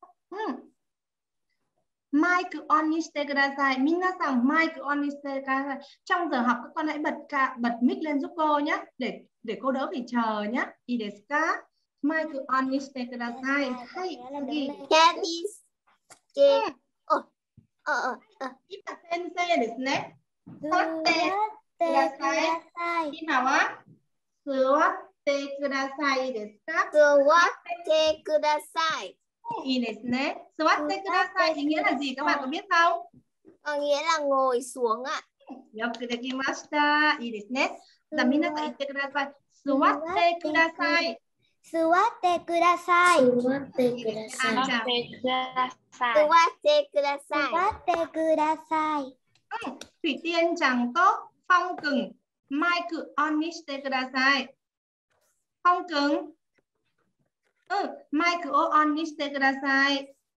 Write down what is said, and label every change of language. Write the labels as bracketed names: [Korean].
[Japanese] Mic on にしてください. Minnasan, mic on にしてください. [Vietnamese] Trong giờ học, các con hãy bật mic lên giúp cô nhé. Để cô đỡ phải chờ nhé. [Japanese] Ii desu ka. Mic on にしてください. [English] Hey, Sugi. Kedis. Kedis. [Japanese] 今先生ですね。座ってください。今は座ってくださいですか？座ってください。いいですね。座ってください。意味は何？皆さん、ご存知ですか？意味は座ってください。 よくできました。いいですね。じゃあ皆さん言ってください。座ってください。座ってください。座ってください。座ってください。座ってください。座ってください。 Thủy Tiên Trắng と Phong Cưng、マイク on にしてください。 Phong Cưng、マイクを on にしてください。